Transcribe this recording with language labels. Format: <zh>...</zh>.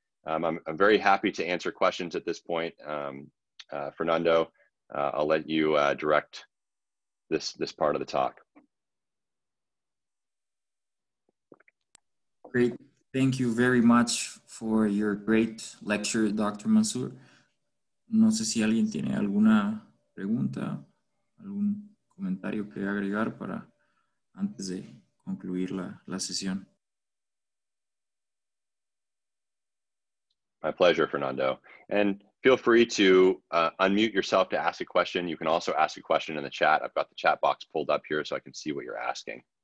<en>I'm very happy to answer questions at this point. Fernando, I'll let you direct this part of the talk. Great. Thank you very much for your great lecture, Dr. Mansour.</en> <es>No sé si alguien tiene alguna pregunta, algún comentario que agregar para antes de concluir la sesión.</es> <en>My pleasure, Fernando. And feel free to unmute yourself to ask a question. You can also ask a question in the chat. I've got the chat box pulled up here so I can see what you're asking.</en>